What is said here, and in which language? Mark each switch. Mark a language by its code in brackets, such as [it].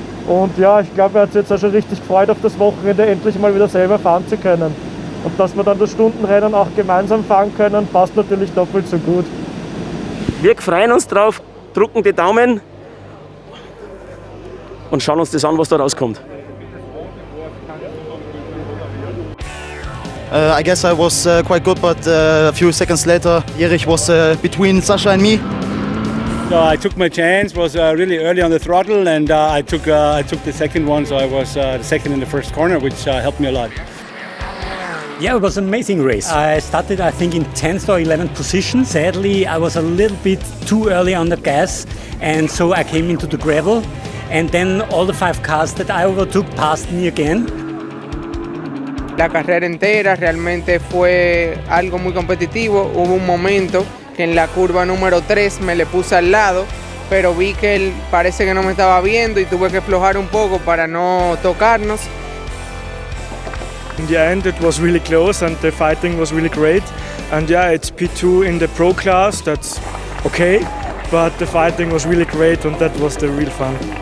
[de] Und ja, ich glaube, er hat sich jetzt auch schon richtig gefreut, auf das Wochenende endlich mal wieder selber fahren zu können. Und dass wir dann das Stundenrennen auch gemeinsam fahren können, passt natürlich doppelt so gut. Wir freuen uns drauf, drücken die Daumen und schauen uns das an, was da rauskommt. [en] I guess I was quite good, but a few seconds later, Erich was between Sascha and me. So I took my chance, was really early on the throttle, and I took the second one, so I was the second in the first corner, which helped me a lot. Yeah, it was an amazing race. I started, I think, in 10th or 11th position. Sadly, I was a little bit too early on the gas, and so I came into the gravel, and then all the five cars that I overtook passed me again. [es] La carrera entera realmente fue algo muy competitivo. Hubo un momento que en la curva número 3 me le puse al lado, pero vi que él parece que no me estaba viendo y tuve que aflojar un poco para no tocarnos. [en] In the end it was really close and the fighting was really great. And yeah, it's P2 in the pro class, that's okay, but the fighting was really great and that was the real fun.